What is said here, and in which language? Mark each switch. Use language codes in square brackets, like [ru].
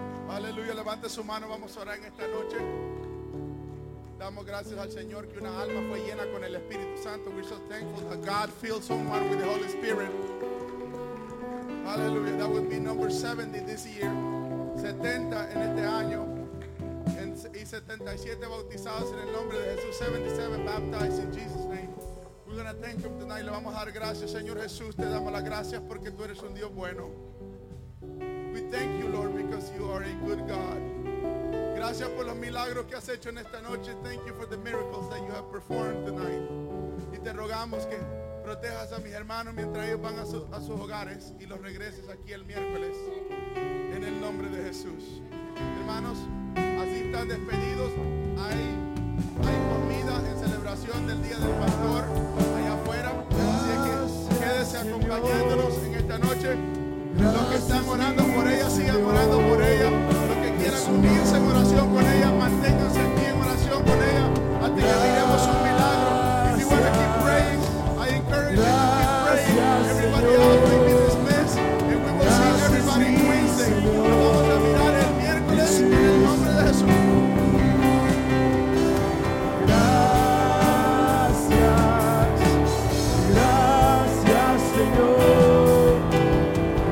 [es] Aleluya, levante su mano, vamos a orar en esta noche. Damos gracias al Señor que una alma fue llena con el Espíritu Santo. [en] We're so thankful that God filled someone with the Holy Spirit. Hallelujah, that would be number 70 this year. [es] 70 en este año. Y 77 bautizados en el nombre de Jesús. [en] 77 baptized in Jesus' name. We're going to thank him tonight. [es] Le vamos a dar gracias, Señor Jesús. Te damos las gracias porque tú eres un Dios bueno. [en] We thank you, Lord, because you are a good God. [es] Gracias por los milagros que has hecho en esta noche. [en] Thank you for the miracles that you have performed tonight. [es] Y te rogamos que protejas a mis hermanos mientras ellos van a sus hogares y los regreses aquí el miércoles en el nombre de Jesús. Hermanos, así están despedidos. Hay comida en celebración del Día del Pastor allá afuera. Así que quédese acompañándonos en esta noche. Los que están orando por ella, sigan orando por ella. Los que quieran unirse en oración con ella, manténganse aquí en oración con ella hasta que veamos un milagro. [en] If you want to keep praying, I encourage you to keep praying. Everybody else may be dismissed. And we will see everybody Wednesday. [es] Nos vamos a mirar el miércoles en el nombre de Jesús.